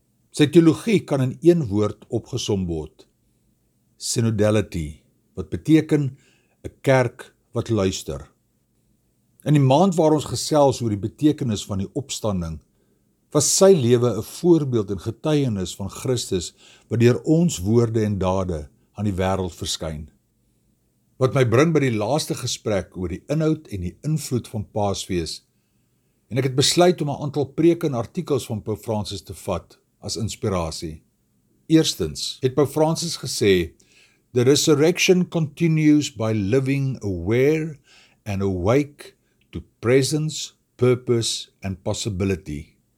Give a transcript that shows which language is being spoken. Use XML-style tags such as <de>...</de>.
<af>Sy teologie kan in een woord opgesom word. Synodality, wat beteken 'n kerk wat luister. In die maand waar ons gesels oor die betekenis van die opstanding, was sy lewe 'n voorbeeld en getuienis van Christus wat deur ons woorde en dade aan die wêreld verskyn. Wat my bring by die laaste gesprek oor die inhoud en die invloed van Paasfees, en ek het besluit om 'n aantal preke en artikels van Pope Francis te vat as inspirasie. Eerstens het Pope Francis gesê,</af> <en>"The resurrection continues by living aware and awake to presence, purpose and possibility."</en>